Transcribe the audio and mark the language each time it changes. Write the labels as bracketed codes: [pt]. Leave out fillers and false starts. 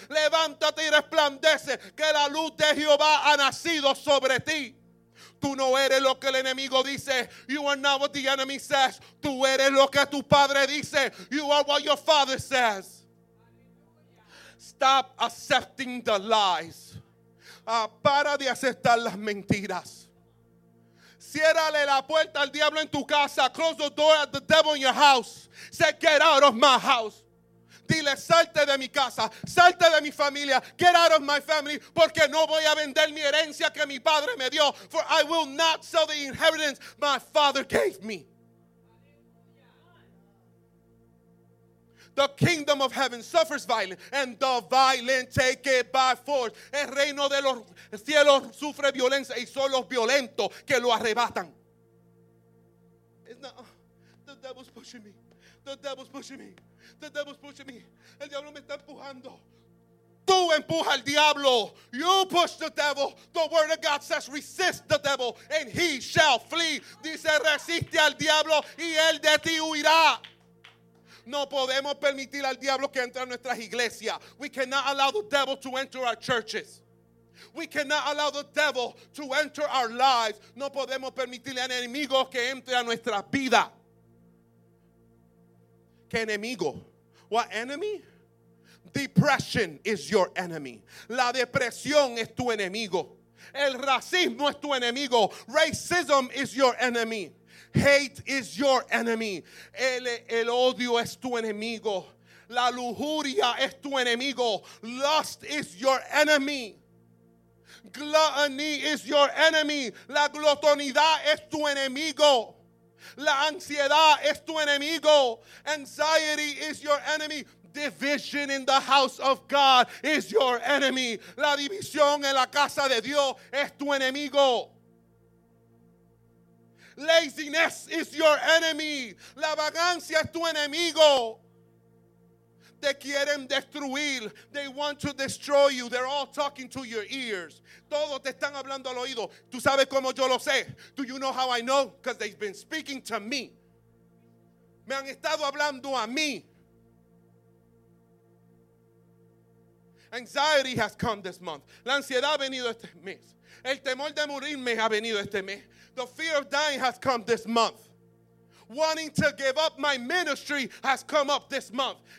[es] Levántate y resplandece, que la luz de Jehová ha nacido sobre ti. Tú no eres lo que el enemigo dice. [en] You are not what the enemy says. [es] Tú eres lo que tu padre dice. [en] You are what your father says. Stop accepting the lies. [es] Para de aceptar las mentiras. Ciérrale la puerta al diablo en tu casa. [en] Close the door at the devil in your house. Say, get out of my house. [es] Dile, salte de mi casa. Salte de mi familia. [en] Get out of my family. [es] Porque no voy a vender mi herencia que mi padre me dio. [en] For I will not sell the inheritance my father gave me. The kingdom of heaven suffers violence, and the violent take it by force. [es] El reino de los cielos sufre violencia, y son los violentos que lo arrebatan. [en] It's not, the devil's pushing me. The devil's pushing me. The devil's pushing me. [es] El diablo me está empujando. Tú empuja al diablo. [en] You push the devil. The word of God says, resist the devil, and he shall flee. [es] Dice, resiste al diablo, y él de ti huirá. No podemos permitir al diablo que entre a nuestras iglesias. [en] We cannot allow the devil to enter our churches. We cannot allow the devil to enter our lives. [es] No podemos permitirle al enemigo que entre a nuestra vida. ¿Qué enemigo? [en] What enemy? Depression is your enemy. [es] La depresión es tu enemigo. El racismo es tu enemigo. [en] Racism is your enemy. Hate is your enemy. [es] El odio es tu enemigo. La lujuria es tu enemigo. [en] Lust is your enemy. Gluttony is your enemy. [es] La glotonidad es tu enemigo. La ansiedad es tu enemigo. [en] Anxiety is your enemy. Division in the house of God is your enemy. [es] La división en la casa de Dios es tu enemigo. [en] Laziness is your enemy. [es] La vagancia es tu enemigo. Te quieren destruir. [en] They want to destroy you. They're all talking to your ears. [es] Todos te están hablando al oído. ¿Tú sabes cómo yo lo sé? [en] Do you know how I know? Because they've been speaking to me. [es] Me han estado hablando a mí. [en] Anxiety has come this month. [es] La ansiedad ha venido este mes. El temor de morirme ha venido este mes. [en] The fear of dying has come this month. Wanting to give up my ministry has come up this month.